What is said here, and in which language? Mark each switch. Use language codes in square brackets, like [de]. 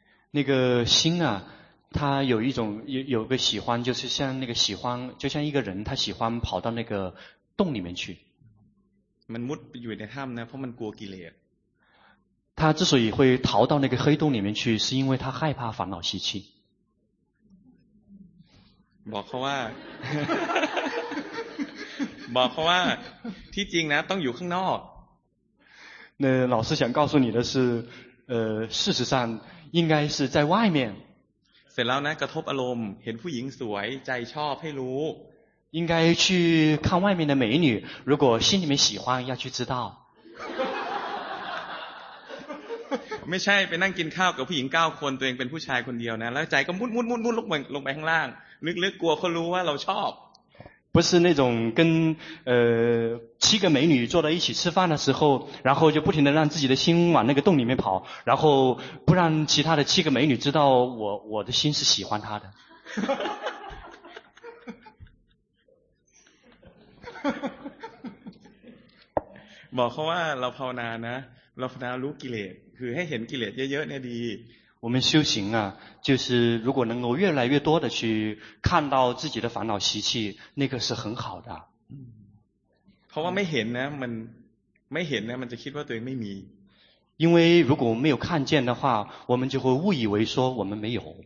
[zh] 那个心啊他有一种有个喜欢就是像那个喜欢就像一个人他喜欢跑到那个洞里面去 [th] มันมุดอยู่ในถ้ำนะเพราะมันกลัวกิเลส [zh] 他之所以会逃到那个黑洞里面去是因为他害怕烦恼习气 [th] บอกเขาว่า บอกเขาว่าที่จริงนะต้องอยู่ข้างนอก [zh] 那老师想告诉你的是事实上应该是在外面 [th] เสร็จแล้วนะกระทบอารมณ์เห็นผู้หญิงสวยใจชอบให้รู้ [zh] 应该去看外面的美女如果心里面喜欢要去知道 [th] ไม่ใช่ไปนั่งกินข้าวกับผู้หญิง9คนตัวเองเป็นผู้ชายคนเดียวนะแล้วใจก็มุดมุดมุดมุดลงไปข้างล่างลึกๆ กลัวเขารู้ว่าเราชอบ [zh] 不是那种跟七个美女坐在一起吃饭的时候然后就不停的让自己的心往那个洞里面跑然后不让其他的七个美女知道我的心是喜欢她的 [th] บอกเขาว่าเราภาวนานะเราภาวนารู้กิเลสคือให้เห็นกิเลสเยอะๆเนี่ยดี [zh] 我们修行啊就是如果能够越来越多的去看到自己的烦恼习气那个是很好的 [th] เพราะว่าไม่เห็นนะมันไม่เห็นนะมันจะคิดว่าตัวเองไม่มี [zh] 因为如果没有看见的话我们就会误以为说我们没有